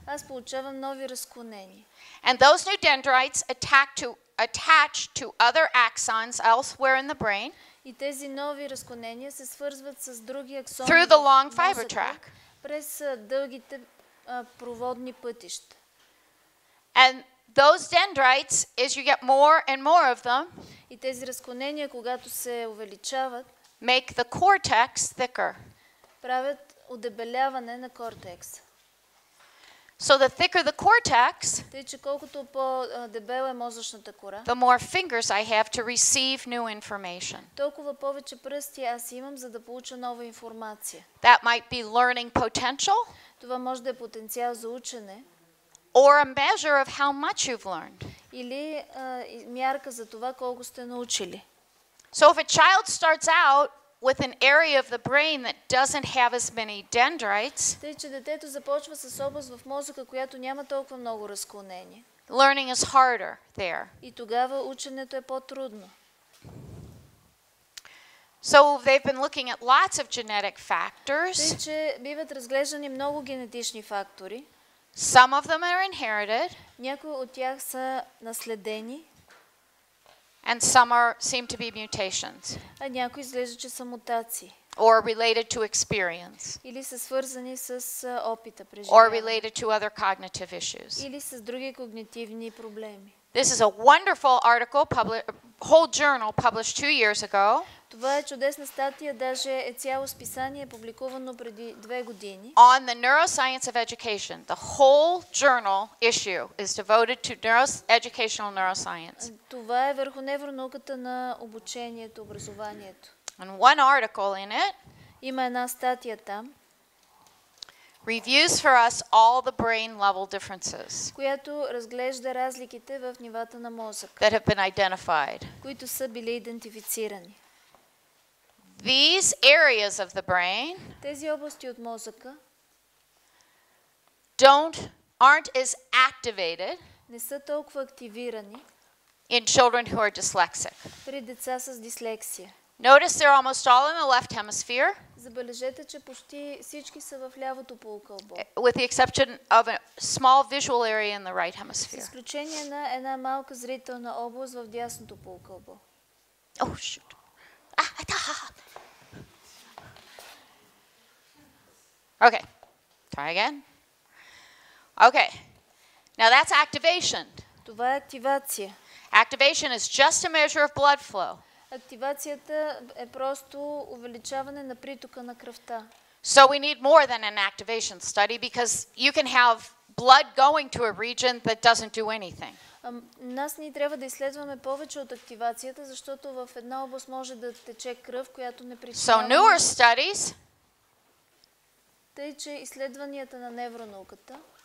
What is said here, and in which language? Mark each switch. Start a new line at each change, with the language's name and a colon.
Bulgarian: Аз получавам нови разклонения.
English: And those new dendrites attach to other axons elsewhere in the brain.
Bulgarian: И тези нови разклонения се свързват с други аксони.
English: Through the long fiber track.
Bulgarian: През дългите проводни пътища.
English: And those dendrites, as you get more and more of them,
Bulgarian: и тези разклонения, когато се увеличават,
English: make the cortex thicker.
Bulgarian: Правят удебеляване на кортекс.
English: So the thicker the cortex,
Bulgarian: тъй, че колкото по-дебела е мозъчната кора,
English: the more fingers I have to receive new information.
Bulgarian: Толкова повече пръсти аз имам, за да получа нова информация.
English: That might be learning potential.
Bulgarian: Това може да е потенциал за учене.
English: Or a measure of how much you've learned.
Bulgarian: Или мярка за това колко сте научили.
English: So if a child starts out with an area of the brain that doesn't have as many dendrites,
Bulgarian: тъй, че детето започва с област в мозъка, която няма толкова много разклонения,
English: learning is harder there.
Bulgarian: И тогава ученето е по-трудно.
English: So they've been looking at lots of genetic factors.
Bulgarian: Тъй, че биват разглеждани много генетични фактори.
English: Some of them are inherited.
Bulgarian: Някои от тях са наследени.
English: And some are seem to be mutations.
Bulgarian: А някои изглежда, че са мутации.
English: Or related to experience.
Bulgarian: Или са свързани с опита, преживяване.
English: Or related to other cognitive issues.
Bulgarian: Или с други когнитивни проблеми.
English: This is a wonderful article, whole journal published 2 years ago.
Bulgarian: Това е чудесна статия, даже е цяло списание, публикувано преди 2 години.
English: On the neuroscience of education, the whole journal issue is devoted to educational neuroscience.
Bulgarian: Това е върху невронауката на обучението, образованието.
English: And one article in it.
Bulgarian: Има една статия там.
English: reviews for us all the brain level differences,
Bulgarian: която разглежда разликите в нивата на мозъка,
English: that have been identified,
Bulgarian: които са били идентифицирани.
English: These areas of the brain,
Bulgarian: тези области от мозъка,
English: aren't as activated,
Bulgarian: не са толкова активирани,
English: in children who are dyslexic.
Bulgarian: При деца с дислексия.
English: Notice they're almost all in the left hemisphere.
Bulgarian: Забележете, че почти всички са в лявото полукълбо.
English: With the exception of a small visual area in the right hemisphere.
Bulgarian: С изключение на една малка зрителна област в дясното полукълбо.
English: Oh shoot. Okay. Try again. Okay. Now that's activation.
Bulgarian: Това е активация.
English: Activation is just a measure of blood flow.
Bulgarian: Активацията е просто увеличаване на притока на кръвта.
English: So we need more than an activation study because you can have blood going to a region that doesn't do anything.
Bulgarian: Нас ни трябва да изследваме повече от активацията, защото в една област може да тече кръв, която не причинява.
English: So newer studies.
Bulgarian: Тъй че изследванията на невронауката.